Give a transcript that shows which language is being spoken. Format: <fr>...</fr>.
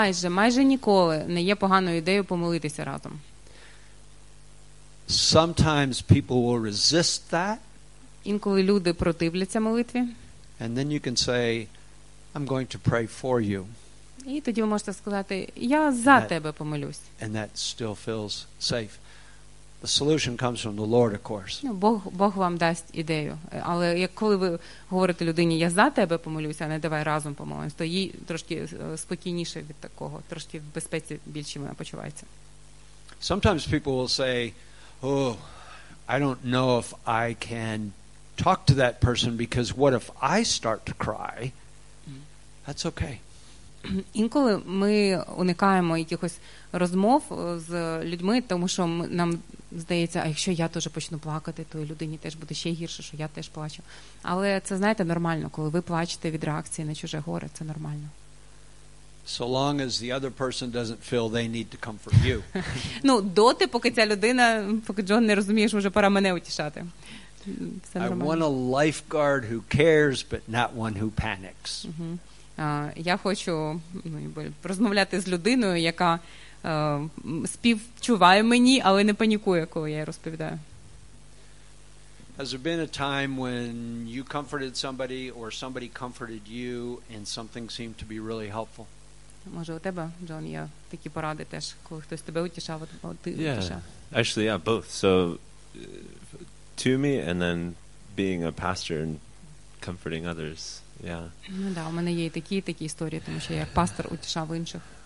<uk>Майже ніколи не є поганою ідеєю помолитися разом.</uk> <en>Sometimes people will resist that.</en> <uk>Інколи люди противляться молитві.</uk> <en>And then you can say, I'm going to pray for you.</en> <uk>І тоді ви можете сказати, я за тебе помолюсь.</uk> <en>And that still feels safe. The solution comes from the Lord, of course.</en> <uk>Бог вам дасть ідею. Але як коли ви говорите людині, я за тебе помолюся, а не давай разом помолимось, то їй трошки спокійніше від такого, трошки в безпеці більше вона почувається.</uk> <en>Sometimes people will say, oh, I don't know if I can talk to that person because what if I start to cry? That's okay.</en> <uk>Інколи ми уникаємо якихось розмов з людьми, тому що нам здається, а якщо я теж почну плакати, то людині теж буде ще гірше, що я теж плачу. Але це, знаєте, нормально, коли ви плачете від реакції на чуже горе, це нормально.</uk> <en>So long as the other person doesn't feel they need to comfort you.</en> <uk>Ну, доти, поки ця людина, поки Джон не розумієш, вже пора мене утішати. Це нормально.</uk> <en>I want a lifeguard who cares, but not one who panics.</en> <uk>Я хочу розмовляти з людиною, яка співчуває мені, але не панікує, коли я розповідаю.</uk> <en>Has there been a time when you comforted somebody or somebody comforted you and something seemed to be really helpful?</en> <uk>Може, у тебе, Джон, є такі поради теж, коли хтось тебе утішав, ти утішав?</uk> <en>Yeah, actually, yeah, both. So, to me and then being a pastor and comforting others. Yeah.</en> <uk>Ну, да, у мене є і такі історії, тому що я як пастор утішав інших.</uk>